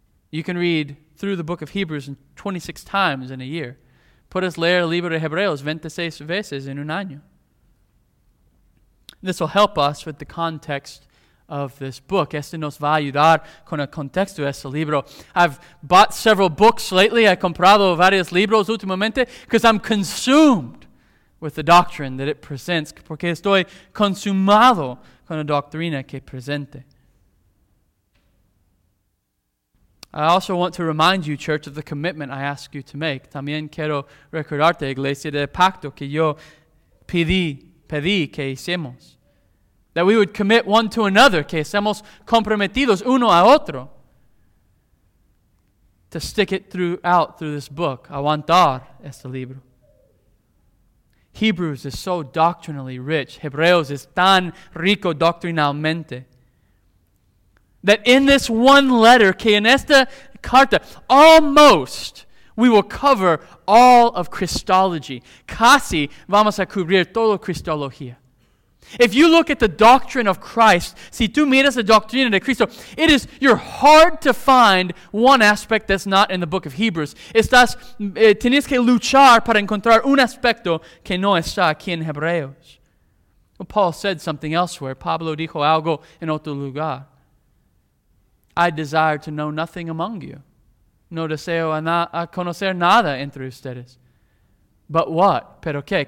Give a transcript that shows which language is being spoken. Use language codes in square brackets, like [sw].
[en] You can read through the book of Hebrews 26 times in a year. [es] Puedes leer el libro de Hebreos 26 veces en un año. [en] This will help us with the context of this book. [es] Este nos va a ayudar con el contexto de este libro. [en] I've bought several books lately. [es] He comprado varios libros últimamente [en] because I'm consumed with the doctrine that it presents. [es] Porque estoy consumado con la doctrina que presente. [en] I also want to remind you, church, of the commitment I ask you to make. [es] También quiero recordarte, iglesia, del pacto que yo pedí que hicimos. [en] That we would commit one to another, [es] que seamos comprometidos uno a otro. [en] To stick it through this book, [es] aguantar este libro. [en] Hebrews is so doctrinally rich. [es] Hebreos es tan rico doctrinalmente. [en] That in this one letter, [es] que en esta carta, [en] almost we will cover all of Christology. [es] Casi vamos a cubrir todo Cristología. [en] If you look at the doctrine of Christ, [es] si tú miras la doctrina de Cristo, [en] it is, you're hard to find one aspect that's not in the book of Hebrews. [es] Estás, tienes que luchar para encontrar un aspecto que no está aquí en Hebreos. [en] Well, Paul said something elsewhere. [es] Pablo dijo algo en otro lugar. [en] I desire to know nothing among you. [es] No deseo a conocer nada entre ustedes. [en] But what? [es] Pero qué?